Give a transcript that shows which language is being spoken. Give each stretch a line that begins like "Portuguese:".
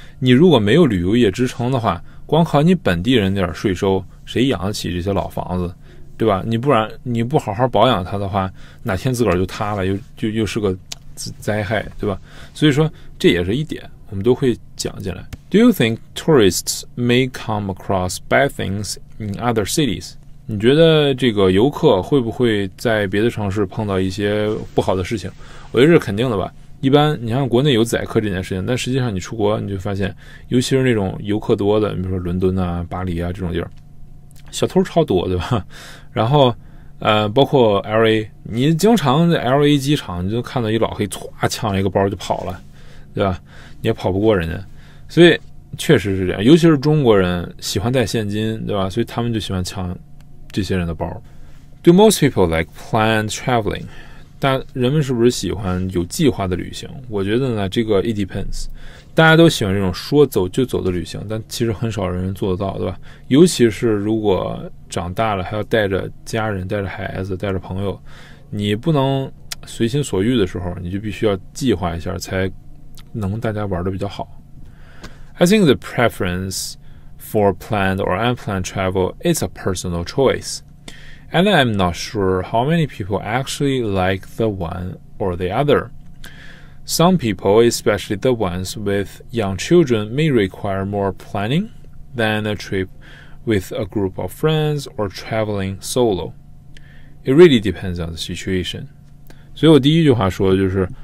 Chinese: 你如果没有旅游业支撑的话，光靠你本地人点税收，谁养得起这些老房子？对吧？你不好好保养它的话，哪天自个儿就塌了，又是个灾害，对吧？所以说这也是一点，我们都会讲进来。
English: Do you think tourists may come across bad things in other cities?
Chinese: 你觉得这个游客会不会在别的城市碰到一些不好的事情？我觉得是肯定的吧。一般你像国内有宰客这件事情，但实际上你出国你就发现，尤其是那种游客多的，比如说伦敦啊、巴黎啊这种地儿。小偷超多，对吧？然后包括 LA， 你经常在 LA 机场你就看到一老黑唰抢了一个包就跑了，对吧？你也跑不过人家。所以确实是这样，尤其是中国人喜欢带现金，对吧？所以他们就喜欢抢这些人的包。
English: Do most people like planned traveling?
Chinese: 但人们是不是喜欢有计划的旅行？我觉得呢，这个
English: it depends，
Chinese: 大家都喜欢这种说走就走的旅行，但其实很少人做得到，对吧？尤其是如果长大了还要带着家人、带着孩子、带着朋友，你不能随心所欲的时候，你就必须要计划一下，才能大家玩得比较好。
English: I think the preference for planned or unplanned travel is a personal choice, and I'm not sure how many people actually like the one or the other. Some people, especially the ones with young children, may require more planning than a trip with a group of friends or traveling solo. It really depends on the situation.
Chinese: 所以我第一句话说的就是，